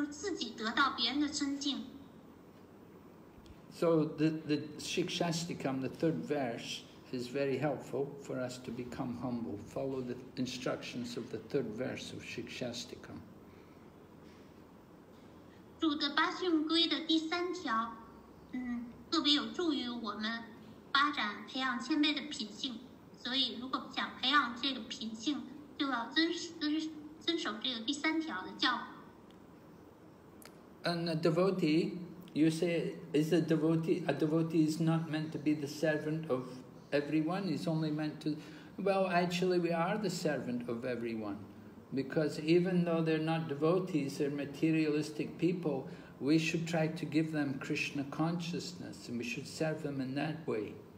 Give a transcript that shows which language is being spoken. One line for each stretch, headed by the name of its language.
Chinese: 不期望得到就是自己得到别人的尊敬。
English: So the Shikshastikam, the third verse, is very helpful for us to become humble. Follow the instructions of the third verse of Shikshastikam.
Chinese: 主的八训规的第三条, 特别有助于我们发展培养谦卑的品性, 所以如果想培养这个品性, 就要遵守这个第三条的教。And
English: a devotee, you say, is a devotee, is not meant to be the servant of everyone, is only meant to, well, actually we are the servant of everyone, because even though they're not devotees, they're materialistic people, we should try to give them Krishna consciousness and we should serve them in that way.